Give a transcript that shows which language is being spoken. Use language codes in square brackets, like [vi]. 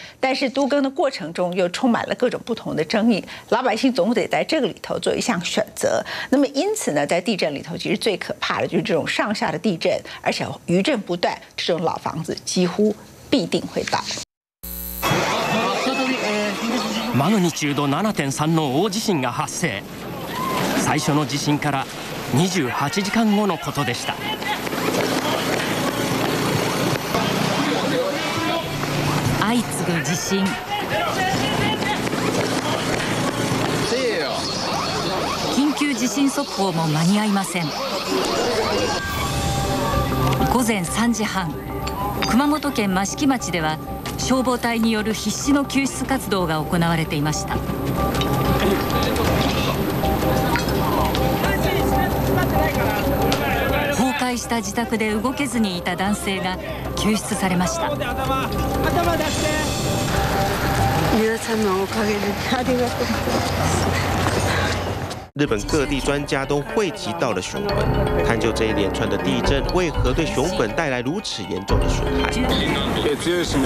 [zh] 但是都更的过程中又充满了各种不同的争议，老百姓总得在这个里头做一项选择。那么因此呢，在地震里头其实最可怕的就是这种上下的地震，而且余震不断，这种老房子几乎必定会倒。 [ja] マグニチュード 7.3 の大地震が発生。最初の地震から28時間後のことでした。相次ぐ地震。緊急地震速報も間に合いません。午前3時半、熊本県益城町では消防隊による必死の救出活動が行われていました。崩壊した自宅で動けずにいた男性が救出されました。頭出して。皆さんのおかげでありがとうございます。 [zh] 日本各地专家都汇集到了熊本，探究这一连串的地震为何对熊本带来如此严重的损害。